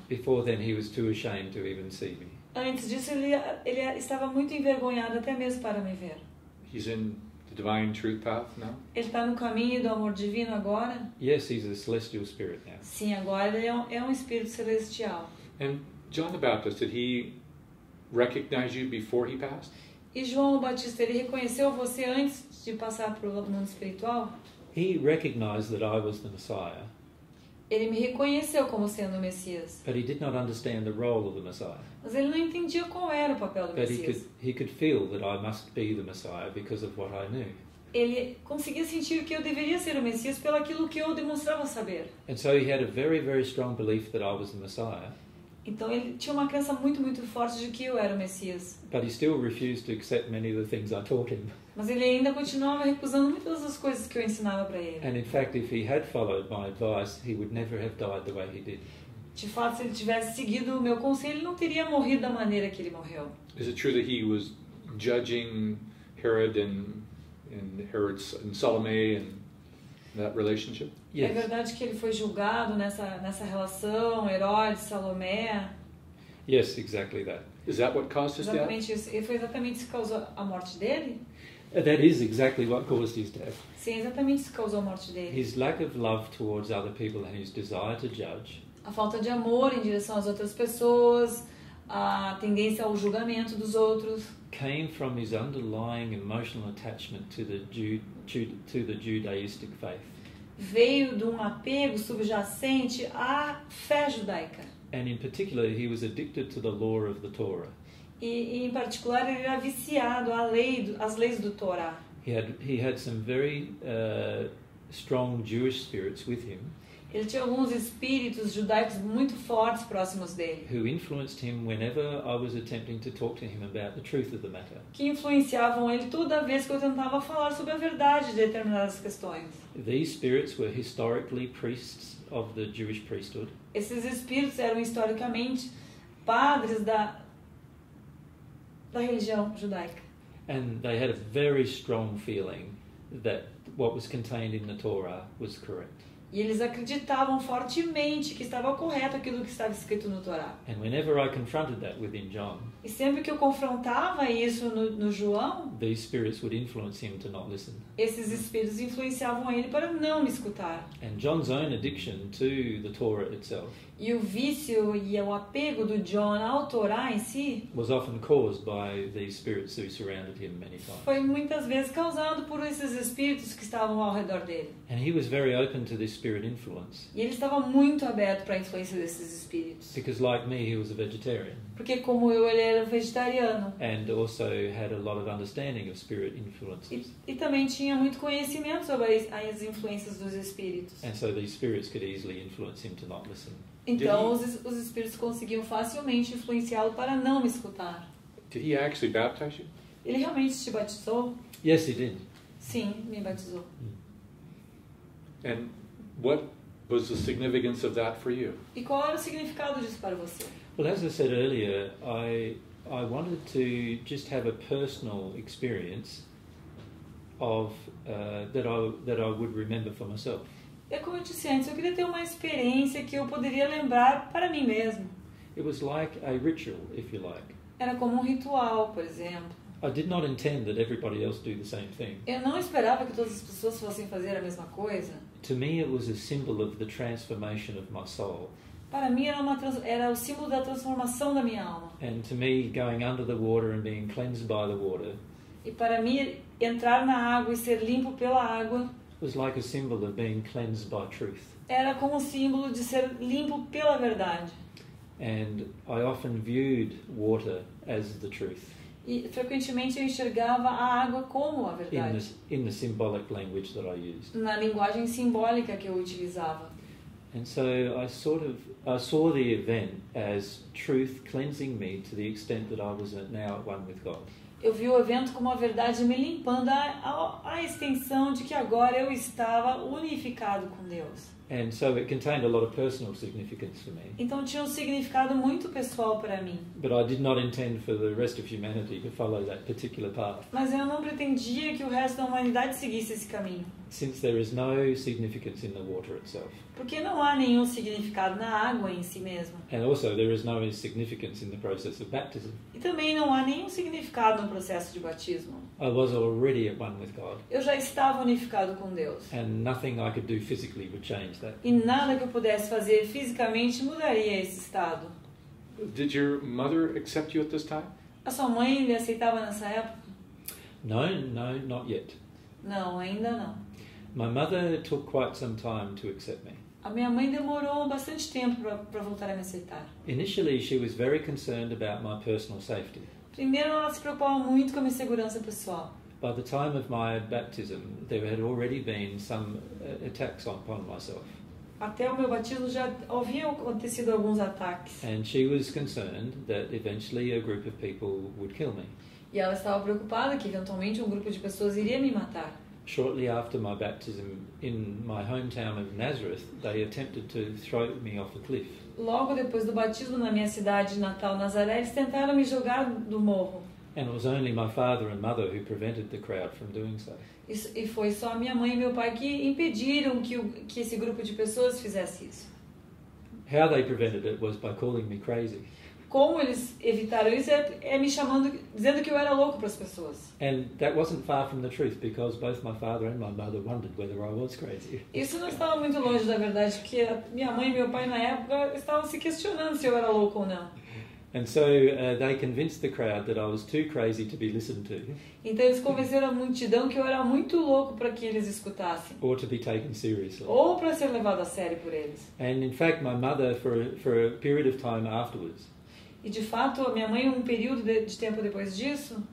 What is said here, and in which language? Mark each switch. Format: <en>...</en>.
<en>Before then he was too ashamed to even see me.</en> <pt>Antes disso ele estava muito envergonhado até mesmo para me ver.</pt> <en>He's in the divine truth path now?</en> <pt>Ele está no caminho do amor divino agora?</pt> <en>Yes, he's a celestial spirit now.</en> <pt>Sim, agora ele é um espírito celestial.</pt> <en>And John the Baptist, did he recognize you before he passed?</en> <pt>E João o Batista, ele reconheceu você antes de passar para o mundo espiritual?</pt> <en>He recognized that I was the Messiah.</en> <pt>Ele me reconheceu como sendo o Messias.</pt> <en>But he did not understand the role of the Messiah.</en> <pt>Mas ele não entendia qual era o papel do</pt> <en>but</en> <pt>Messias.</pt> <en>He could feel that I must be the Messiah because of what I knew.</en> <pt>Ele conseguia sentir que eu deveria ser o Messias pelo aquilo que eu demonstrava saber.</pt> <en>And so he had a very, very strong belief that I was the Messiah.</en> <pt>Então ele tinha uma crença muito, muito forte de que eu era o Messias.</pt> <en>But he still refused to accept many of the things I taught him.</en> <pt>Mas ele ainda continuava recusando muitas das coisas que eu ensinava para ele.</pt> <en>And in fact, if he had followed my advice, he would never have died the way he did.</en> <pt>De fato, se ele tivesse seguido o meu conselho, ele não teria morrido da maneira que ele morreu.</pt> <en>Is it true that he was judging Herod and Herod's and Salome and that relationship? Yes.</en> <pt>É verdade que ele foi julgado nessa relação, Herodes, Salomé?</pt> <en>Yes, exactly that. Is that what caused his death?</en> <pt>Exatamente isso. E foi exatamente isso que causou a morte dele?</pt> <en>That is exactly what caused his death.</en> <pt>Sim, exatamente isso que causou a morte dele.</pt> <en>His lack of love towards other people and his desire to judge.</en> <pt>A falta de amor em direção às outras pessoas, a tendência ao julgamento dos outros.</pt> <en>Came from his underlying emotional attachment to the Judaistic faith.</en> <pt>Veio de um apego subjacente à fé judaica.</pt> <en>And in particular, he was addicted to the law of the Torah.</en> <pt>E em particular, ele era viciado à lei, às leis do Torá.</pt> <en>He had some very strong Jewish spirits with him.</en> <pt>Ele tinha alguns espíritos judaicos muito fortes próximos dele.</pt> <en>Who influenced him whenever I was attempting to talk to him about the truth of the matter.</en> <pt>Que influenciavam ele toda vez que eu tentava falar sobre a verdade de determinadas questões.</pt> <en>These spirits were historically priests of the Jewish priesthood.</en> <pt>Esses espíritos eram historicamente padres da religião judaica.</pt> <en>And they had a very strong feeling that what was contained in the Torah was correct.</en> <pt>E eles acreditavam fortemente que estava correto aquilo que estava escrito no Torá.</pt> <en>And whenever I confronted that within John,</en> <pt>e sempre que eu confrontava isso no João,</pt> <en>these spirits would influence him to not listen.</en> <pt>Esses espíritos influenciavam ele para não me escutar.</pt> <en>And John's own addiction to the Torah itself,</en> <pt>e o vício e o apego do John ao Torá em si,</pt> <en>was often caused by these spirits who surrounded him many times.</en> <pt>Foi muitas vezes causado por esses espíritos que estavam ao redor dele.</pt> <en>And he was very open to this spirit influence.</en> <pt>E ele estava muito aberto para a influência desses espíritos.</pt> <en>Because like me, he was a vegetarian.</en> <pt>Porque como eu, ele era vegetariano.</pt> <en>And also had a lot of understanding of spirit influences.</en> <pt>E também tinha muito conhecimento sobre as influências dos espíritos.</pt> <en>And so these spirits could easily influence him to not listen.</en> <pt>Então os espíritos conseguiam facilmente influenciá-lo para não me escutar.</pt> <en>Did he actually baptize you?</en> <pt>Ele realmente te batizou?</pt> <en>Yes, he did.</en> <pt>Sim, me batizou.</pt> <en>And what was the significance of that for you?</en> <pt>E qual era o significado disso para você?</pt> <en>Well, as I said earlier, I wanted to just have a personal experience of that I would remember for myself.</en> <pt>É como eu disse antes, eu queria ter uma experiência que eu poderia lembrar para mim mesmo.</pt> <en>It was like a ritual, if you like.</en> <pt>Era como um ritual, por exemplo.</pt> <en>I did not intend that everybody else do the same thing.</en> <pt>Eu não esperava que todas as pessoas fossem fazer a mesma coisa.</pt> <en>To me, it was a symbol of the transformation of my soul.</en> <pt>Para mim era o símbolo da transformação da minha alma.</pt> <en>And to me, going under the water and being cleansed by the water.</en> <pt>E para mim entrar na água e ser limpo pela água.</pt> <en>Was like a symbol of being cleansed by truth.</en> <pt>Era como um símbolo de ser limpo pela verdade.</pt> <en>And I often viewed water as the truth.</en> <pt>E frequentemente eu enxergava a água como a verdade.</pt> <en>In the symbolic language that I used.</en> <pt>Na linguagem simbólica que eu utilizava.</pt> <en>And so I saw the event as truth cleansing me to the extent that I was now at one with God.</en> <pt>Eu vi o evento como a verdade me limpando à extensão de que agora eu estava unificado com Deus.</pt> <en>And so it contained a lot of personal significance for me.</en> <pt>Então tinha um significado muito pessoal para mim.</pt> <en>But I did not intend for the rest of humanity to follow that particular path.</en> <pt>Mas eu não pretendia que o resto da humanidade seguisse esse caminho.</pt> <en>Since there is no significance in the water itself.</en> <pt>Porque não há nenhum significado na água em si mesmo.</pt> <en>And also there is no significance in the process of baptism.</en> <pt>E também não há nenhum significado no processo de batismo.</pt> <en>I was already at one with God.</en> <pt>Eu já estava unificado com Deus.</pt> <en>And nothing I could do physically would change that.</en> <pt>E nada que eu pudesse fazer fisicamente mudaria esse estado.</pt> <en>Did your mother accept you at this time?</en> <pt>A sua mãe lhe aceitava nessa época?</pt> <en>No, not yet.</en> <pt>Não, ainda não.</pt> <en>My mother took quite some time to accept me.</en> <pt>A minha mãe demorou bastante tempo para voltar a me aceitar.</pt> <en>Initially, she was very concerned about my personal safety.</en> <pt>Primeiro, ela se preocupava muito com a minha segurança pessoal.</pt> <en>By the time of my baptism, there had already been some attacks upon myself.</en> <pt>Até o meu batismo já havia acontecido alguns ataques.</pt> <en>And she was concerned that eventually a group of people would kill me.</en> <pt>E ela estava preocupada que eventualmente um grupo de pessoas iria me matar.</pt> <en>Shortly after my baptism in my hometown of Nazareth, they attempted to throw me off a cliff.</en> <pt>Logo depois do batismo na minha cidade natal, Nazaré, eles tentaram me jogar do morro.</pt> <en>And it was only my father and mother who prevented the crowd from doing so.</en> <pt>E foi só minha mãe e meu pai que impediram que esse grupo de pessoas fizesse isso.</pt> <en>How they prevented it was by calling me crazy.</en> <pt>Como eles evitaram isso é me chamando, dizendo que eu era louco para as pessoas.</pt> <en>And that wasn't far from the truth, because both my father and my mother wondered whether I was crazy.</en> <pt>Isso não estava muito longe da verdade, porque a minha mãe e meu pai na época estavam se questionando se eu era louco ou não.</pt> <en>And so they convinced the crowd that I was too crazy to be listened to.</en> <pt>Então eles convenceram a multidão que eu era muito louco para que eles escutassem.</pt> <en>Or to be taken seriously.</en> <pt>Ou para ser levado a sério por eles.</pt> <en>And in fact, my mother for a period of time afterwards.</en> <pt>E de fato, a minha mãe, um período de tempo depois disso,</pt>